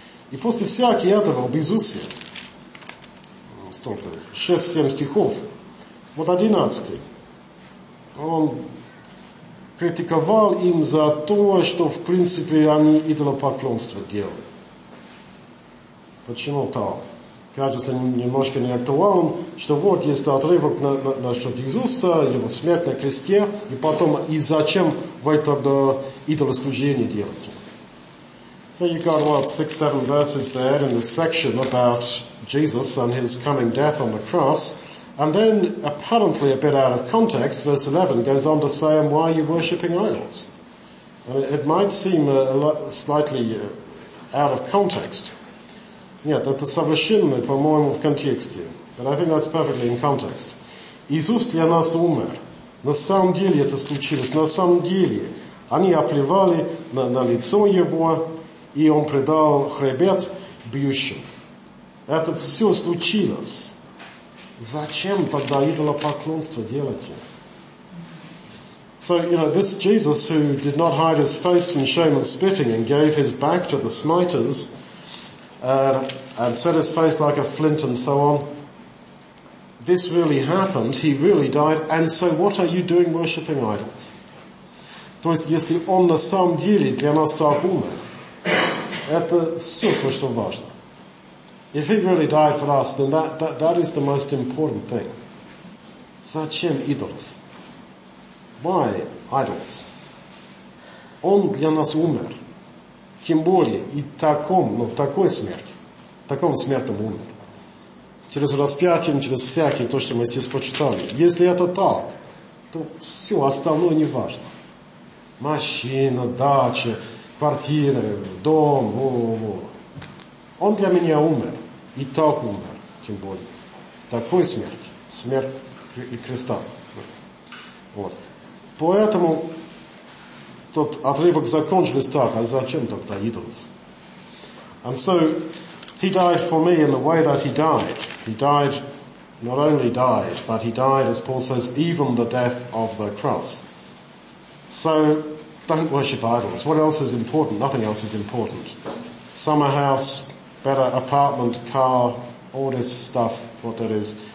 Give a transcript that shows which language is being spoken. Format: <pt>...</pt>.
<ru>И после всякого этого об Иисусе, столько, 6-7 стихов, вот 11, он критиковал им за то, что в принципе они идолопоклонство делали. Почему так? кажется немножко неактуальным, что вот есть отрывок насчет Иисуса, его смерть на кресте, и потом, и зачем вы тогда идолослужение делаете.</ru> <en>So you got about 6-7 verses there in the section about Jesus and his coming death on the cross. And then, apparently a bit out of context, verse 11 goes on to say, and why are you worshipping idols? And it might seem slightly out of context.</en> <ru>Нет, это совершенно, по-моему, в контексте.</ru> <en>But I think that's perfectly in context.</en> <ru>Иисус для нас умер. На самом деле это случилось. На самом деле они оплевали на лицо Его, и Он предал хребет бьющим. Это все случилось. Зачем тогда идолопоклонство делать?</ru> <en>So, you know, this Jesus who did not hide his face from shame and spitting and gave his back to the smiters and set his face like a flint and so on, this really happened, he really died, and so what are you doing worshipping idols?</en> <ru>То есть, если он на самом деле для нас так умер, это все то, что важно.</ru> <en>If he really died for us, then that is the most important thing.</en> <ru>Зачем идолов?</ru> <en>Why idols?</en> <ru>Он для нас умер. Тем более и такой смерти. Таком смертом умер. Через распятие, через всякие то, что мы здесь почитали. Если это так, то все остальное не важно. Машина, дача, квартира, дом. Он для меня умер. И так умер, тем более. Такой смерти. Смерть креста. Вот. Поэтому тот отрывок закончился так, а зачем тогда идолов?</ru> <en>And so, he died for me in the way that he died. He died, not only died, but he died, as Paul says, even the death of the cross. So, don't worship idols. What else is important? Nothing else is important. Summer house, better apartment, car, all this stuff, what that is.</en>